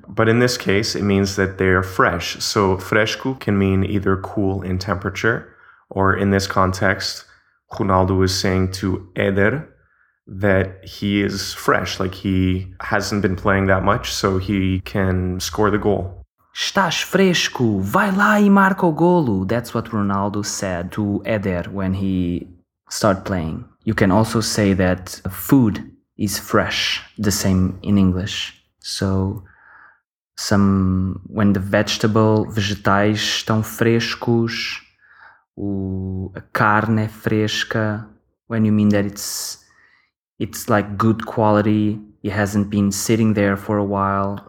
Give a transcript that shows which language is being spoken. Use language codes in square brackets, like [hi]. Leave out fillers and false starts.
[en] But in this case, it means that they're fresh. So fresco can mean either cool in temperature, or in this context, Ronaldo is saying to Éder that he is fresh, like he hasn't been playing that much, so he can score the goal. [pt] Estás fresco, vai lá e marca o golo. [en] That's what Ronaldo said to Eder when he started playing. You can also say that food is fresh, the same in English. So, when the vegetais estão frescos, a carne é fresca, when you mean that it's like good quality, it hasn't been sitting there for a while.